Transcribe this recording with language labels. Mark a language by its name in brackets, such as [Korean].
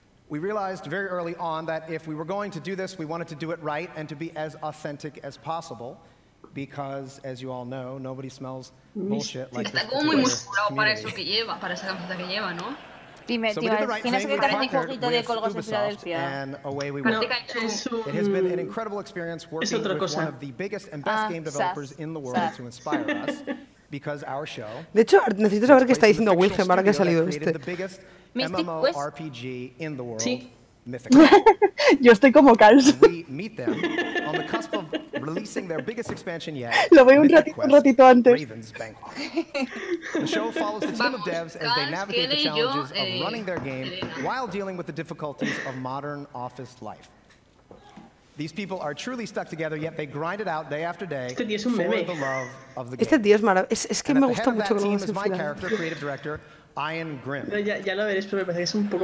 [English] We realized very early on that if we were going to do this, we wanted to do it right and to be as authentic as possible. because, as you all know, nobody smells bullshit like [Spanish] está como muy musculado para eso que lleva, para esa camiseta que lleva, ¿no? Dime, tío, tienes que tener un poquito de colgas en Filadelfia. No, es otra cosa. [English] Ah, SAS. Because our show. [Spanish] De hecho, necesito saber qué está diciendo Wilhelm ahora que ha salido este. [English] MMORPG in the world. Sí. [Spanish] Yo estoy como Carlos. Lo veo un ratito antes. Vamos, Kelly y yo. [English] These people are truly stuck together, yet they grind it out day after day for the love of the game. [Spanish] Este tío es maravilloso. Es que me gusta mucho que lo hagas en [English] final. My character, creative director, Ian Grimm. [Spanish] Ya lo veréis, pero me parece que es un poco...